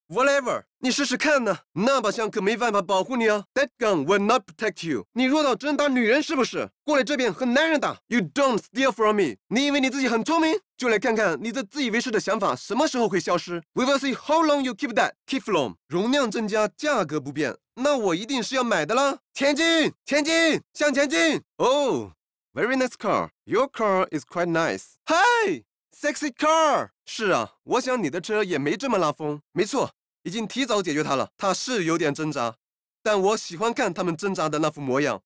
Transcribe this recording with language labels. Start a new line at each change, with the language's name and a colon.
Chinese: Whatever， 你试试看呢，那把枪可没办法保护你啊。
English: That gun will not protect you。
Chinese: 你弱到只能打女人是不是？过来这边和男人打。
English: You don't steal from me。
Chinese: 你以为你自己很聪明？就来看看你的自以为是的想法什么时候会消失。
English: We will see how long you keep that Keflon。
Chinese: 容量增加，价格不变，那我一定是要买的啦。前进，前进，向前进。
English: Oh， very nice car。 Your car is quite nice。 Hi， sexy car。
Chinese: 是啊，我想你的车也没这么拉风。没错，已经提早解决他了，他是有点挣扎，但我喜欢看他们挣扎的那副模样。